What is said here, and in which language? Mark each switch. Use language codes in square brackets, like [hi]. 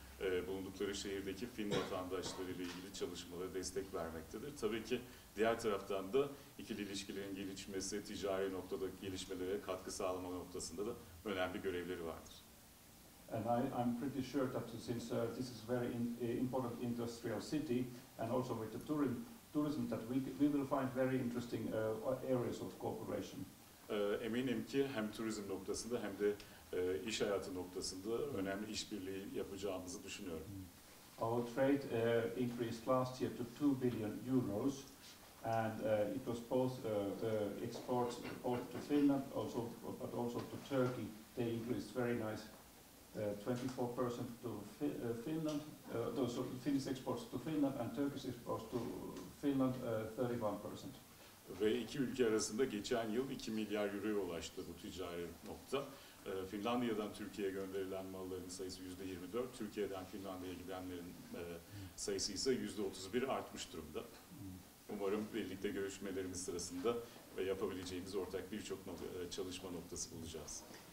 [tr] bulundukları şehirdeki Fin vatandaşları ile ilgili çalışmalara destek vermektedir. Tabii ki diğer taraftan da ikili ilişkilerin gelişmesi, ticari noktada gelişmelere katkı sağlama noktasında da önemli görevleri vardır. [en] And I'm pretty sure that since this is very important industrial city and also with the tourism that we will find very interesting areas of cooperation. [tr] Eminim ki hem turizm noktasında hem de iş hayatı noktasında önemli işbirliği yapacağımızı düşünüyorum. [en] Our trade increased last year to 2 billion euros and it was both exports both to Finland also but also to Turkey. They increased very nice 24% to Finland, so Finnish exports to Finland and Turkish exports to Finland 31%. [tr] Ve iki ülke arasında geçen yıl 2 milyar euroya ulaştı bu ticari nokta. Finlandiya'dan Türkiye'ye gönderilen malların sayısı %24, Türkiye'den Finlandiya'ya gidenlerin sayısı ise %31 artmış durumda. Umarım birlikte görüşmelerimiz sırasında yapabileceğimiz ortak birçok çalışma noktası bulacağız.